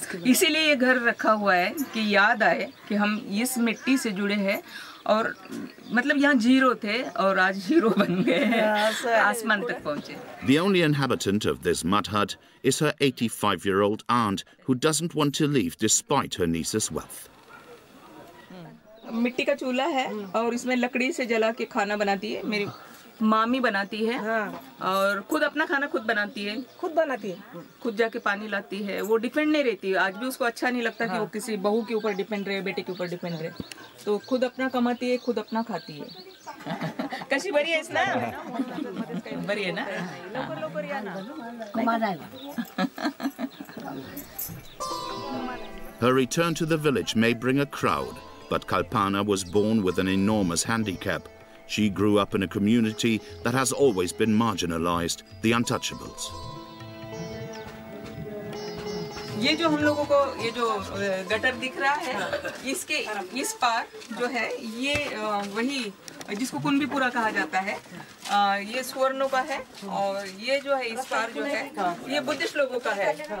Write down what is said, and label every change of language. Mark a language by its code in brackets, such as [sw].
[hi] इसीलिए ये घर रखा हुआ है कि याद आए कि हम इस मिट्टी से जुड़े हैं और मतलब यहाँ जीरो थे और आज हीरो बन गए हैं आसमान तक पहुँचे। [en] The only inhabitant of this mud hut is her 85-year-old aunt who doesn't want to leave despite her niece's wealth. [hi] मिट्टी का चूल्हा है और इसमें लकड़ी से जला के खाना बनाती है मेरी मामी बनाती है और खुद अपना खाना खुद बनाती है खुद जाके पानी लाती है वो डिपेंड नहीं रहती आज भी उसको अच्छा नहीं लगता कि वो किसी बहू के ऊपर डिपेंड रहे बेटे के ऊपर डिपेंड रहे तो खुद अपना कमाती है खुद अपना खाती है कैसी बड़ी है इसना बड़ी है ना [en] Her return to the village may bring a crowd, but Kalpana was born with an enormous handicap. She grew up in a community that has always been marginalized, the untouchables. [hi] ये जो हम लोगों को ये जो गटर दिख रहा है इसके इस पार जो है ये वही जिसको कुनबी पूरा कहा जाता है ये सुवर्णों का है और ये जो है इस पार जो है ये बुद्धिस्ट लोगों का है